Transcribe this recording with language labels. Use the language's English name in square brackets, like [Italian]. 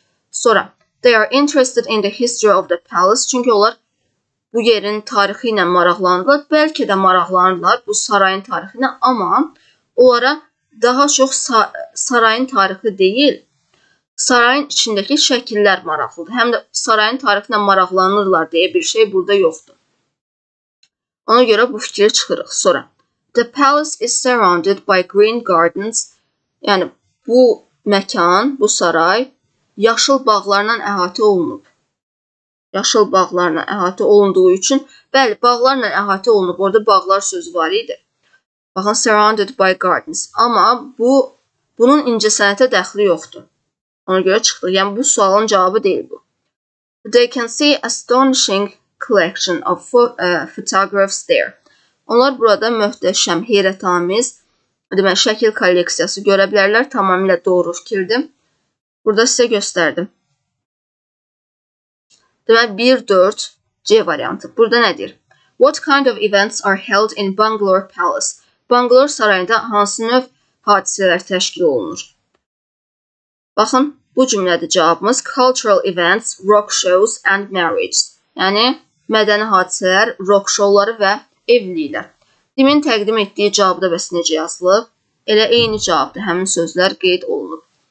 [Azerbaijani] Sonra, [English] they are interested in the history of the palace, [Azerbaijani] çünki onlar bu yerin tarixi ilə maraqlandılar, bəlkə də maraqlandılar bu sarayın tarixi ilə, amma onlara daha çox sarayın tarixi deyil, sarayın içindəki şəkillər maraqlıdır. Həm də sarayın tarixinə maraqlanırlar deyə bir şey burada yoxdur. Ona görə bu fikri çıxırıq. [English] Sonra, the palace is surrounded by green gardens. [Azerbaijani] Yəni, bu məkan, bu saray yaşıl bağlarla əhatə olunub. Yaşıl bağlarla əhatə olunduğu üçün, bəli, bağlarla əhatə olunub. Orada bağlar sözü var idi. Baxın, [English] surrounded by gardens. [Azerbaijani] Amma bu, bunun incəsənətə dəxli yoxdur. Ona görə çıxdı. Yəni, bu sualın cavabı deyil bu. [English] They can see astonishing collection of photographs there. [Azerbaijani] Onlar burada möhtəşəm, heyrətamiz, demək, şəkil kolleksiyası görə bilərlər. Tamamilə doğru fikirdim. Burada sizə göstərdim. Demək, 1-4-C variantı. Burada nədir? [English] What kind of events are held in Bangalore Palace? [Azerbaijani] Bangalore sarayında hansı növ hadisələr təşkil olunur? Baxın, bu cümlədə cavabımız [English] cultural events, rock shows and marriage. [Azerbaijani] Yəni, mədəni hadisələr, rock şovları və evliliklər. Demin təqdim etdiyi cavabda bəs necə yazılıb? Elə eyni cavabdır, həmin sözlər qeyd olunub.